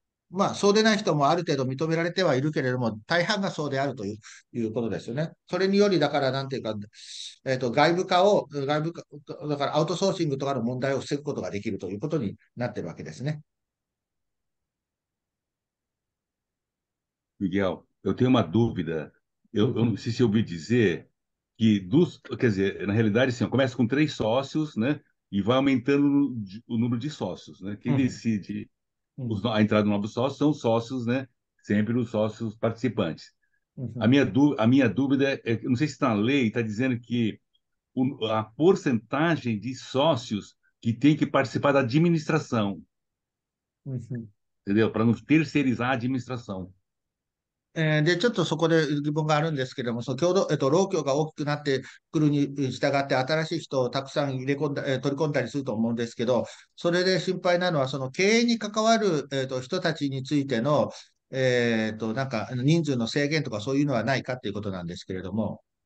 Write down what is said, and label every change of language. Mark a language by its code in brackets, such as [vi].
[ja] まあ、そうでない人もある程度認められてはいるけれども、大半がそうであるということですよね。それにより、だから、なんていうか、外部化、だからアウトソーシングとかの問題を防ぐことができるということになってるわけですね。 [pt] Miguel, eu tenho uma dúvida. Eu não sei se eu ouvi dizer que quer dizer, na realidade, assim, começa com três sócios, né, e vai aumentando o número de sócios, né? Quem decide a entrada de novos sócios são sócios, né? Sempre os sócios participantes. A minha dúvida é, não sei se está na lei, está dizendo que a porcentagem de sócios que tem que participar da administração, entendeu? Para não terceirizar a administração. [ja] で、ちょっとそこで疑問があるんですけれども、労協が大きくなってくるに従って、新しい人をたくさん取り込んだりすると思うんですけど、それで心配なのは、その経営に関わる、人たちについての、なんか人数の制限とかそういうのはないかということなんですけれども。